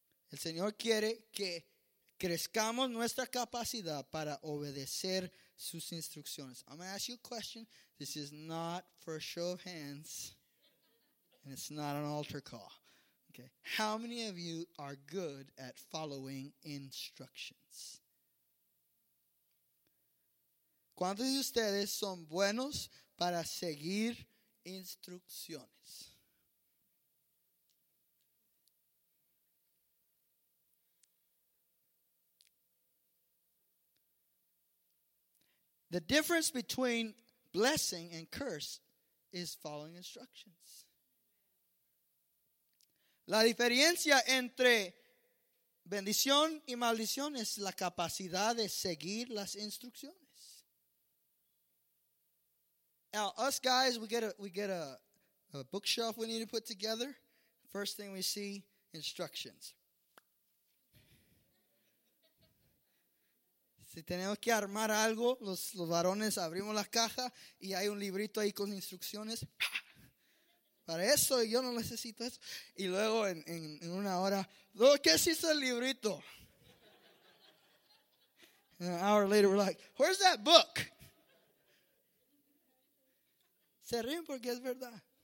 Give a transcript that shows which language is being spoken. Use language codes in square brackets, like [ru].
[es] El Señor quiere que crezcamos nuestra capacidad para obedecer sus instrucciones. [en] I'm going to ask you a question. This is not for a show of hands, and it's not an altar call. Okay. How many of you are good at following instructions? [es] ¿Cuántos de ustedes son buenos para seguir instrucciones? [en] The difference between blessing and curse is following instructions. [es] La diferencia entre bendición y maldición es la capacidad de seguir las instrucciones. [en] Now, us guys, we get a bookshelf we need to put together. First thing we see, instructions. [es] Si tenemos que armar algo, los varones abrimos la caja y hay un librito ahí con instrucciones. Para eso yo no necesito eso. Y luego en una hora, ¿qué es ese librito? [en] And an hour later we're like, where's that book? [es] Se ríen porque es verdad.